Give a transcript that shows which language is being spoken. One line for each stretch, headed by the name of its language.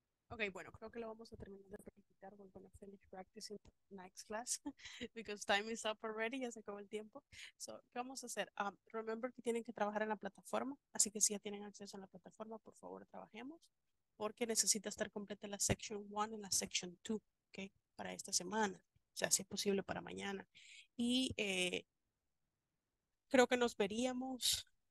Spanish: Okay, bueno, creo que lo vamos a terminar de practicar.
English: We're going to finish practicing next class because time is up already.
Spanish: Ya se acabó el tiempo. So, ¿qué vamos a hacer? Remember que tienen que trabajar en la plataforma. Así que si ya tienen acceso a la plataforma, por favor, trabajemos. Porque necesita estar completa la section 1 y la section 2, ¿ok? Para esta semana. O sea, si es posible, para mañana. Y creo que nos veríamos.